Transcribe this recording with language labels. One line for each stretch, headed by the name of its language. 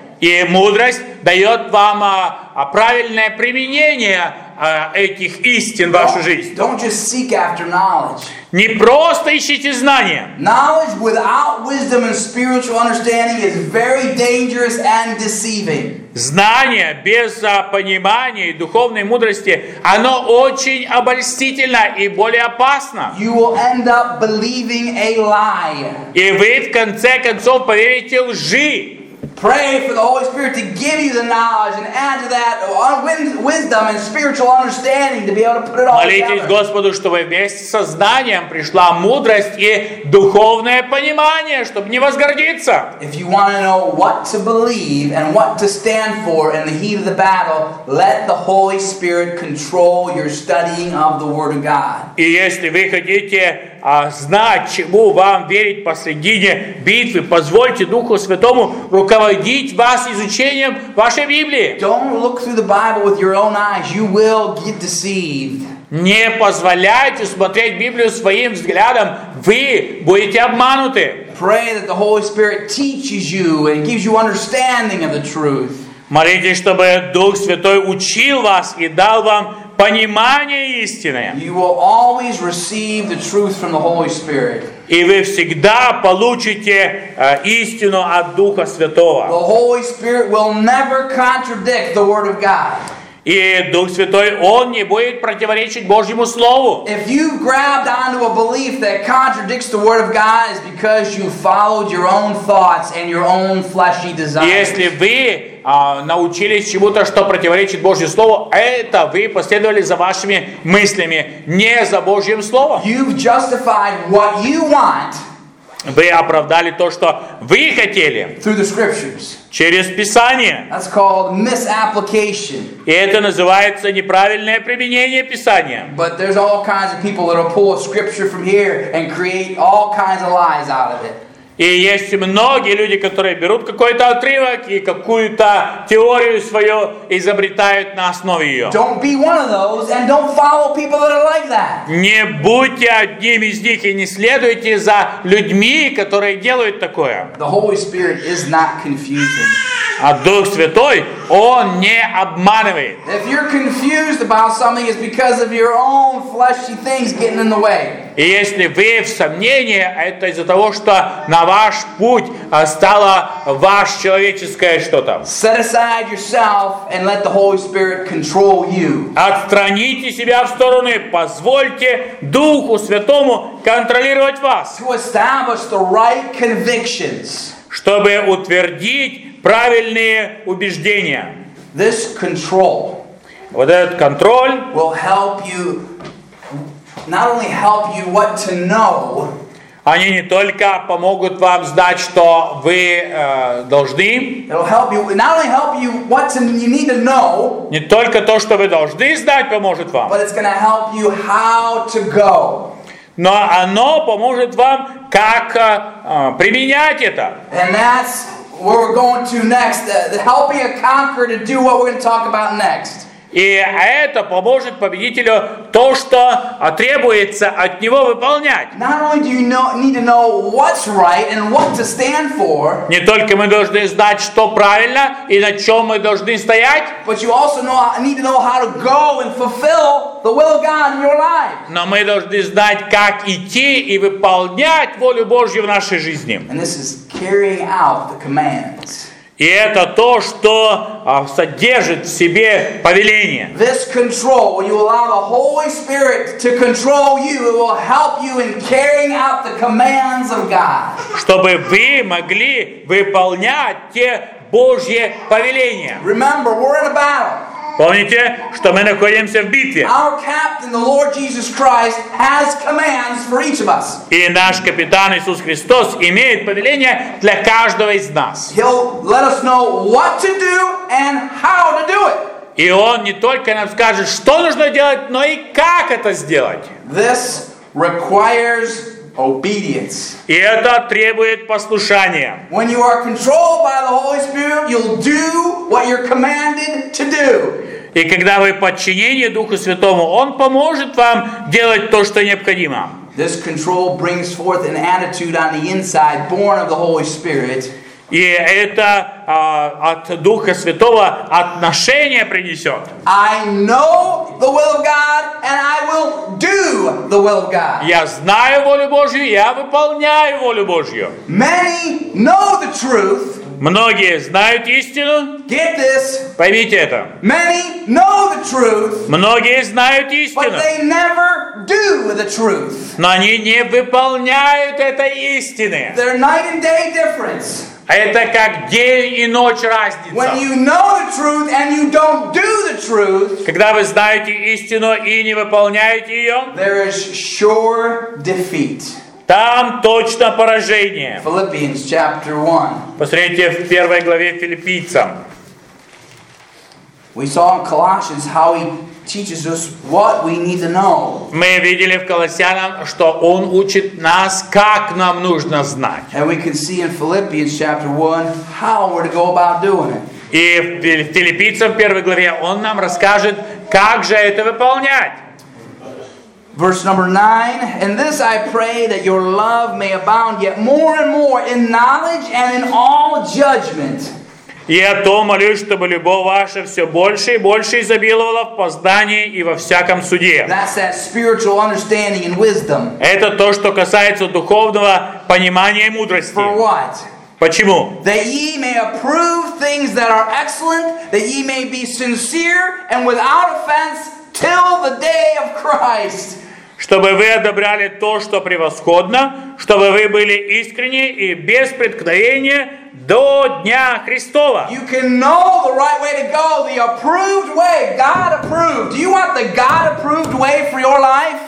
Russian: И мудрость дает вам правильное применение этих истин в вашу жизнь.
English: Don't just seek after knowledge.
Russian: Не просто ищите знания.
English: Knowledge without wisdom and spiritual understanding is very dangerous and deceiving.
Russian: Знание без понимания и духовной мудрости, оно очень обольстительно и более опасно.
English: You will end up believing a lie.
Russian: И вы в конце концов поверите лжи.
English: Pray for the Holy Spirit to give you the knowledge and add to that wisdom and spiritual understanding to be able to put it all together.
Russian: Молитесь Господу, чтобы вместе со знанием пришла мудрость и духовное понимание, чтобы не возгордиться.
English: If you want to know what to believe and what to stand for in the heat of the battle, let the Holy Spirit control your studying of the Word of God.
Russian: И если вы хотите знать, чему вам верить посредине битвы, позвольте Духу Святому руководить вас изучением вашей Библии.
English: Don't look through the Bible with your own eyes. You will get deceived.
Russian: Не позволяйте смотреть Библию своим взглядом. Вы будете обмануты.
English: Pray that the Holy Spirit teaches you and gives you understanding of the truth.
Russian: Молитесь, чтобы Дух Святой учил вас и дал вам понимание истины.
English: You will always receive the truth from the Holy Spirit.
Russian: И вы всегда получите истину от Духа Святого.
English: The Holy Spirit will never contradict the Word of God.
Russian: И Дух Святой, Он не будет противоречить Божьему Слову.
English: If you grabbed onto a belief that contradicts the Word of God, it's because you followed your own thoughts and your own fleshy desires.
Russian: Если вы научились чему-то, что противоречит Божьему Слову, это вы последовали за вашими мыслями, не за Божьим Словом.
English: You've justified what you want.
Russian: Вы оправдали то, что вы хотели.
English: Through the scriptures.
Russian: Через Писание.
English: That's called misapplication.
Russian: И это называется неправильное применение Писания.
English: But there's all kinds of people that will pull a scripture from here and create all kinds of lies out of it.
Russian: И есть многие люди, которые берут какой-то отрывок и какую-то теорию свою изобретают на основе ее.
English: Don't be one of those and don't follow people that are like that.
Russian: Не будьте одним из них и не следуйте за людьми, которые делают такое.
English: The Holy Spirit is not confusing.
Russian: А Дух Святой, Он не обманывает.
English: If you're confused about something, it's because of your own fleshy things getting in the way.
Russian: И если вы в сомнении, это из-за того, что на ваш путь стало ваше человеческое что-то.
English: Set aside yourself and let the Holy Spirit control you.
Russian: Отстраните себя в стороны, позвольте Духу Святому контролировать вас.
English: To establish the right convictions.
Russian: Чтобы утвердить правильные убеждения.
English: This control
Russian: вот этот контроль
English: will help you not only help you what to know.
Russian: Они не только помогут вам знать, что вы должны.
English: It'll help you, not only help you what you need to know.
Russian: Не только то, что вы должны знать, поможет вам.
English: But it's going to help you how to go.
Russian: Но оно поможет вам, как применять это.
English: And that's where we're going to next. The helping a conqueror to do what we're going to talk about next.
Russian: И это поможет победителю то, что требуется от него выполнять.
English: Not only do you need to know what's right and what to stand for.
Russian: Не только мы должны знать, что правильно и на чем мы должны стоять.
English: But you also need to know how to go and fulfill the will of God in your life.
Russian: Но мы должны знать, как идти и выполнять волю Божью в нашей жизни.
English: And this is carrying out the commands.
Russian: И это то, что содержит в себе повеление.
English: This control, when you allow the Holy Spirit to control you, it will help you in carrying out the commands of God.
Russian: Чтобы вы могли выполнять те Божьи повеления.
English: Remember, we're in a battle.
Russian: Помните, что мы находимся в битве.
English: Our captain, the Lord Jesus Christ, has commands for each of us.
Russian: И наш капитан Иисус Христос имеет повеление для каждого из нас.
English: He'll let us know what to do and how to do it.
Russian: И он не только нам скажет, что нужно делать, но и как это сделать.
English: This requires obedience.
Russian: И это требует послушания.
English: When you are controlled by the Holy Spirit, you'll do what you're commanded to do.
Russian: И когда вы в подчинении Духу Святому, Он поможет вам делать то, что необходимо.
English: This control brings forth an attitude on the inside, born of the Holy Spirit.
Russian: И это от Духа Святого отношение принесет.
English: I know the will of God and I will do the will of God.
Russian: Я знаю волю Божью, я выполняю волю Божью.
English: Many know the truth.
Russian: Многие знают истину.
English: Get this.
Russian: Поймите это.
English: Many know the truth.
Russian: Многие знают истину.
English: But they never do the truth.
Russian: Но они не выполняют этой истины.
English: They're night and day difference.
Russian: Это как день и ночь разница.
English: When you know the truth and you don't do the truth,
Russian: когда вы знаете истину и не выполняете ее,
English: there is sure defeat.
Russian: Там точно поражение.
English: Philippians chapter 1.
Russian: Посмотрите в первой главе Филиппийцам.
English: We saw in Colossians how he teaches us what we need to know.
Russian: Мы видели в Колоссянам, что он учит нас, как нам нужно знать.
English: And we can see in Philippians chapter 1 how we're to go about doing it.
Russian: И в Филиппийцам первой главе он нам расскажет, как же это выполнять.
English: Verse number 9, and this I pray that your love may abound yet more and more in knowledge and in all judgment.
Russian: Я то молюсь, чтобы любовь ваша все больше и больше изобиловала в познании и во всяком суде.
English: That's that spiritual understanding and wisdom.
Russian: Это то, что касается духовного понимания и мудрости.
English: For what?
Russian: Почему?
English: That ye may approve things that are excellent, that ye may be sincere and without offense till the day of Christ.
Russian: Чтобы вы одобряли то, что превосходно, чтобы вы были искренни и без преткновения до дня Христова.
English: You can know the right way to go, the approved way, God approved. Do you want the God approved way for your life?